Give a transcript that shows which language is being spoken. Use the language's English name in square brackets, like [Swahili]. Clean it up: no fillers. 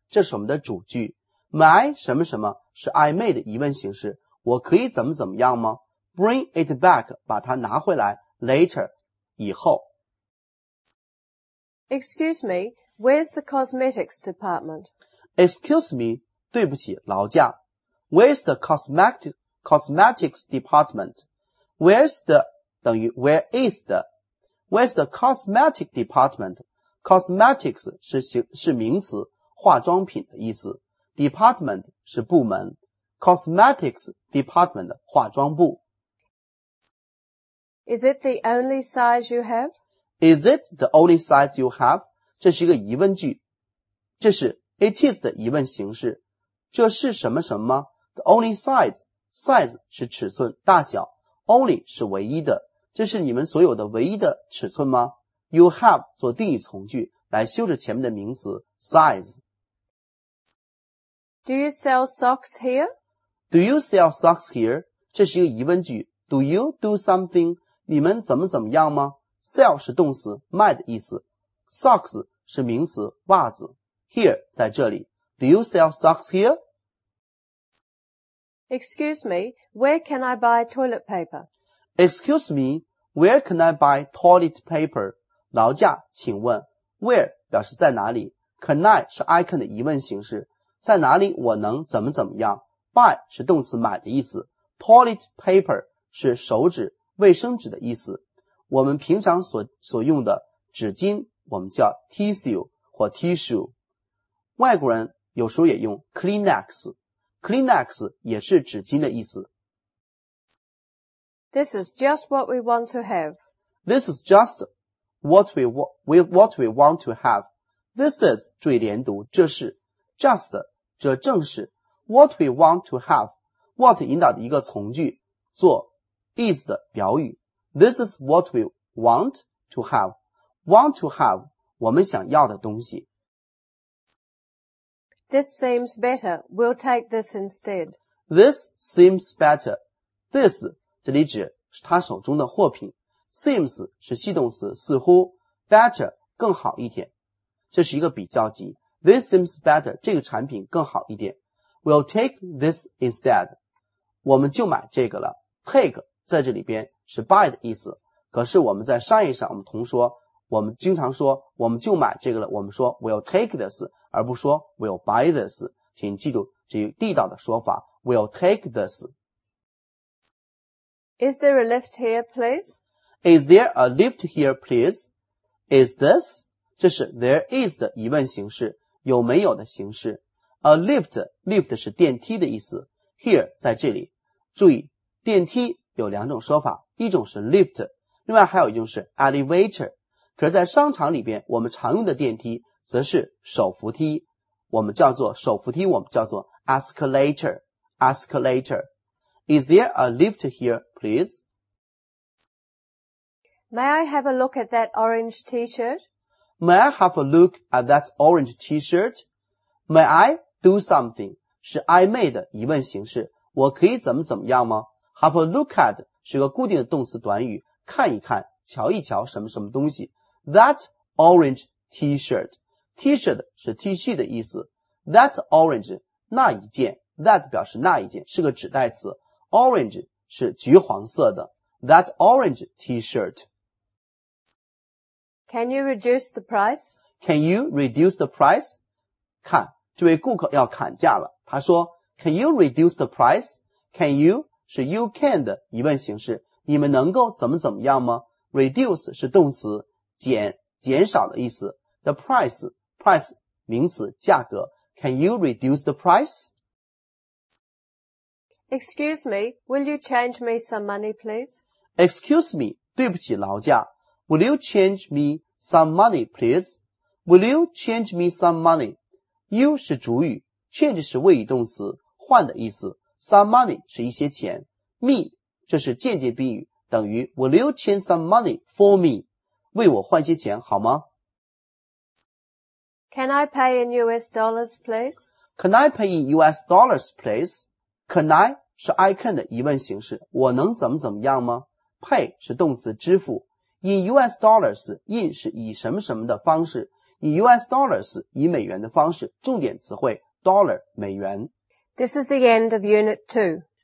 [Chinese] 这是我们的主句。 [English] May I [Chinese] 什么什么是 [English] I may [Chinese] 的疑问形式,我可以怎么怎么样吗? [English] Bring it back, [Chinese] 把它拿回来 [English] later, [Chinese] 以后。 [English] Excuse me, where's the cosmetics department? Excuse me, [Chinese] 对不起劳驾。 [English] Where's the cosmetics department? Where's the, [Chinese] 等于 [English] where is the? Where's the cosmetic department? [Chinese] Cosmetics 是名词化妆品的意思。 Department 是部门。 [English] Cosmetics department, [Chinese] 化妆部。 [English] Is it the only size you have? Is it the only size you have? [Chinese] 这是一个疑问句。这是 [English] it is [Chinese] 的疑问形式。这是什么什么 [English] The only size. [Chinese] Size 是尺寸大小。Only 是唯一的。这是你们所有的唯一的尺寸吗 [English] You have [Chinese] 做定语从句来修饰前面的名词 size. [English] Do you sell socks here? Do you sell socks here? [Chinese] 这是一个疑问句。 [English] Do you do something? [Chinese] 你们怎么怎么样吗 ?sell 是动词卖的意思。 socks 是名词袜子。 [English] here [Chinese] 在这里。 [English] Do you sell socks here? Excuse me, where can I buy toilet paper? Excuse me, where can I buy toilet paper? [Chinese] 劳驾请问。 where 表示在哪里。 [English] can I [Chinese] 是 [English] I can [Chinese] 的疑问形式。在哪里我能怎么怎么样。buy 是动词买的意思。 toilet paper 是手纸。卫生纸的意思我们平常所用的纸巾我们叫 tissue 或 tissue 外国人有时候也用 Kleenex Kleenex 也是纸巾的意思 [English] This is just what we want to have This is just what we want to have This is [Chinese] 注意连读这是 [English] just [Chinese] 这正是 [English] what we want to have what [Chinese] 引导的一个从句做 [English] is [Chinese] 的表语 [English] This is what we want to have want to have [Chinese] 我们想要的东西 [English] This seems better we'll take this instead This seems better [Chinese] This 这里指是他手中的货品 seems 是系动词似乎 better 更好一点这是一个比较级 This seems better 这个产品更好一点 [English] we'll take this instead [Chinese] 我们就买这个了 take在这里边是 buy 的意思可是我们在商业上我们同说我们经常说我们就买这个了我们说 [English] we'll take this [Chinese] 而不说 [English] we'll buy this [Chinese] 请记住这有地道的说法 [English] will take this. Is there a lift here, please? Is there a lift here, please? Is this? [Chinese] 这是 [English] there is [Chinese] 的疑问形式，有没有的形式。 A lift 是电梯的意思。Here 在这里，注意电梯有两种说法，一种是 lift， 另外还有一种是 elevator。可是在商场里边，我们常用的电梯则是手扶梯，我们叫做手扶梯，我们叫做 escalator。 [English] Escalator. Is there a lift here, please? May I have a look at that orange T-shirt? May I have a look at that orange T-shirt? May I do something? [Chinese] 是 [English] I may [Chinese] 的疑问形式。我可以怎么怎么样吗？ Have a look at 是个固定的动词短语，看一看，瞧一瞧什么什么东西。 [English] That orange T-shirt. [Chinese] T-shirt 是 T 恤的意思。 [English] That orange [Chinese] 那一件， that 表示那一件，是个指代词。 Orange 是橘黄色的。 [English] That orange T-shirt. Can you reduce the price? Can you reduce the price? [Chinese] 看，这位顾客要砍价了。他说 , [English] Can you reduce the price? Can you [Chinese] 是 [English] you can [Chinese] 的疑问形式。你们能够怎么怎么样吗？Reduce 是动词，减，减少的意思。 [English] The price, [Chinese] 名词，价格。 [English] Can you reduce the price? Excuse me, will you change me some money, please? Excuse me, [Chinese] 对不起劳驾。 [English] Will you change me some money, please? Will you change me some money? [Chinese] You 是主语， change 是谓语动词，换的意思。 [English] Some money [Chinese] 是一些钱。 [English] Me [Chinese] 这是间接宾语，等于 [English] Will you change some money for me? [Chinese] 为我换些钱好吗？ [English] Can I pay in US dollars, please? Can I pay in US dollars, please? Can I [Chinese] 是 [English] I can [Chinese] 的疑问形式，我能怎么怎么样吗？ Pay 是动词支付， [English] In US dollars, [Chinese] in 是以什么什么的方式， In US dollars 以美元的方式，重点词汇 dollar 美元。 [English] This is the end of unit 2.